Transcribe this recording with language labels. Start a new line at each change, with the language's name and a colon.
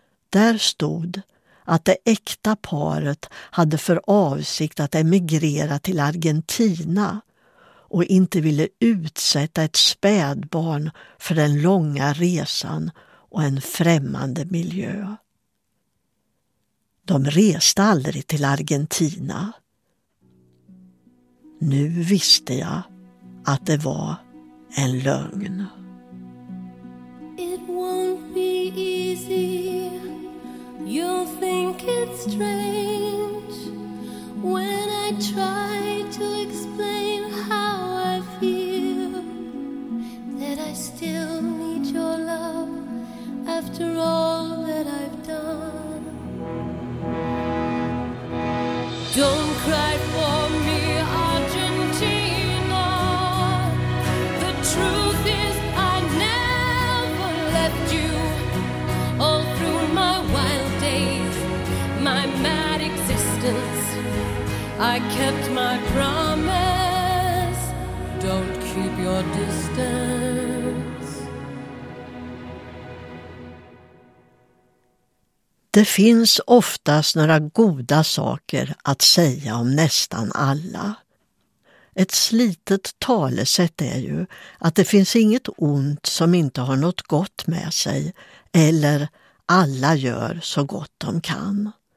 Swedish: Där stod att det äkta paret hade för avsikt att emigrera till Argentina och inte ville utsätta ett spädbarn för den långa resan och en främmande miljö. De reste aldrig till Argentina. Nu visste jag att det var en lögn.
English: It won't be easy. You'll think it's strange when I try to explain how I feel, that I still need your love after all that I've done. Don't cry for me, Argentina. The truth is I never left you. All through my wild days, my mad existence, I kept my promise. Don't keep your distance.
Swedish: Det finns oftast några goda saker att säga om nästan alla. Ett slitet talesätt är ju att det finns inget ont som inte har något gott med sig, eller alla gör så gott de kan.